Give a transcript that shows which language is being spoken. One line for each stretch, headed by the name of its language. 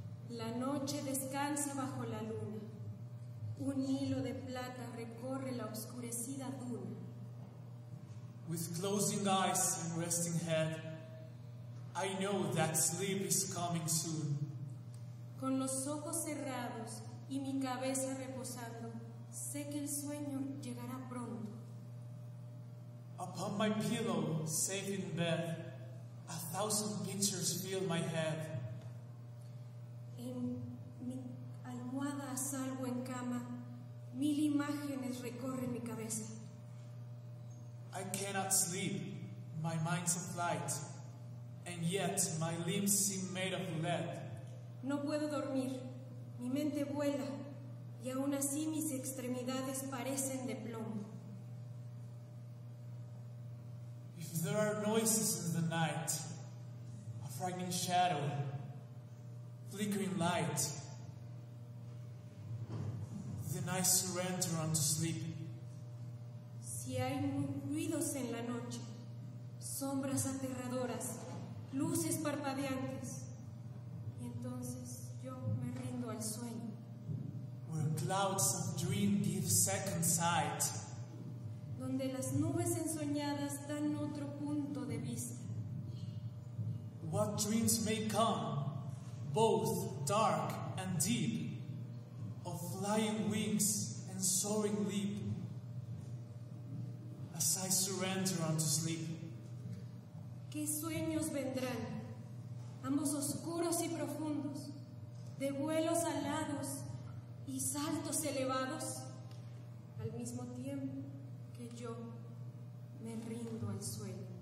Spanish: La noche descansa bajo la luna, un hilo de plata recorre la oscurecida duna.
English: With closing eyes and resting head, I know that sleep is coming soon.
Spanish: Con los ojos cerrados y mi cabeza reposando, sé que el sueño llegará pronto.
English: Upon my pillow, safe in bed, a thousand pictures fill my head.
Spanish: En mi almohada a salvo en cama, mil imágenes recorren mi cabeza.
English: I cannot sleep, my mind's a flight, and yet my limbs seem made of lead.
Spanish: No puedo dormir, mi mente vuela, y aún así mis extremidades parecen de plomo.
English: If there are noises in the night, a frightening shadow, flickering light, then I surrender unto sleep.
Spanish: Si hay ruidos en la noche, sombras aterradoras, luces parpadeantes, y entonces yo me rindo al sueño.
English: Where clouds of dream give second sight.
Spanish: Donde las nubes ensoñadas dan otro punto de vista.
English: What dreams may come, both dark and deep, of flying wings and soaring leap, as I surrender unto sleep.
Spanish: ¿Qué sueños vendrán, ambos oscuros y profundos, de vuelos alados y saltos elevados, al mismo tiempo que yo me rindo al sueño?